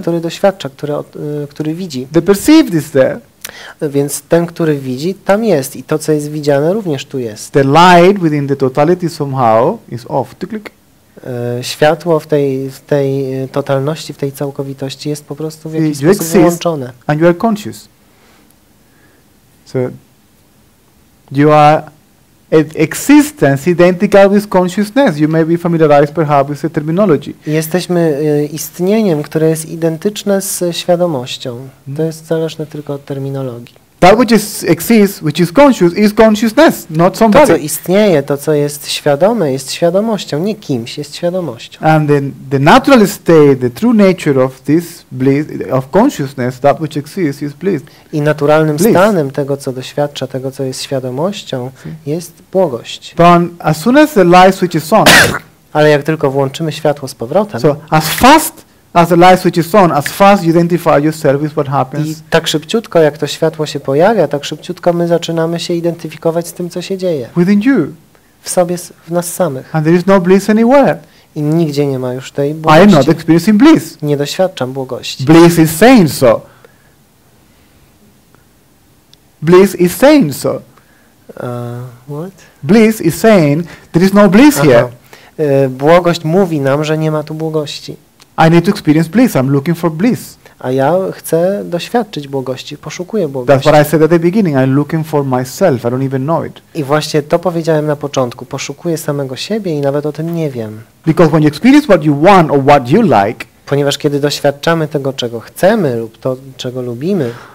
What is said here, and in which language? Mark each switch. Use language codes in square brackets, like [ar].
[pl] który doświadcza, który widzi. [en] The perceived is there. [pl] Więc ten, który widzi, tam jest i to, co jest widziane, również tu jest. [en] The light within the totality somehow is off. [pl] Światło w tej totalności, w tej całkowitości jest po prostu w jakiś sposób wyłączone. [en] And you are conscious. So you are existence identical with consciousness. You may be familiarized perhaps with the terminology. [pl] Jesteśmy istnieniem, które jest identyczne z świadomością. To jest zależne tylko od terminologii. [en] That which is exists, which is conscious, is consciousness, not somebody. [pl] To, co istnieje, to, co jest świadome, jest świadomością, nie kimś, jest świadomością. [en] And then the natural state, the true nature of this bliss, of consciousness, that which exists, is bliss. [pl] I naturalnym stanem tego, co doświadcza, tego, co jest świadomością, jest błogość. [en] But as soon as the light switches on, [pl] ale jak tylko włączymy światło z powrotem, [en] so as fast as the light switches on, as fast you identify yourself with what happens. [pl] I tak szybciutko, jak to światło się pojawia, tak szybciutko my zaczynamy się identyfikować z tym, co się dzieje. [en] Within you. [pl] W sobie, w nas samych. [en] And there is no bliss anywhere. [pl] I nigdzie nie ma już tej błogości. [en] I am not experiencing bliss. [pl] Nie doświadczam błogości. [en] Bliss is saying so. Bliss is saying so. What? Bliss is saying there is no bliss here. [pl] Błogość mówi nam, że nie ma tu błogości. [en] I need to experience bliss. I'm looking for bliss. [pl] A ja chcę doświadczyć błogości. Poszukuję błogości. [en] That's what I said at the beginning. I'm looking for myself. I don't even know it. [pl] I właśnie to powiedziałem na początku. Poszukuję samego siebie i nawet o tym nie wiem. [en] Because when you experience what you want or what you like, [pl] ponieważ kiedy doświadczamy tego, czego chcemy lub to, czego lubimy,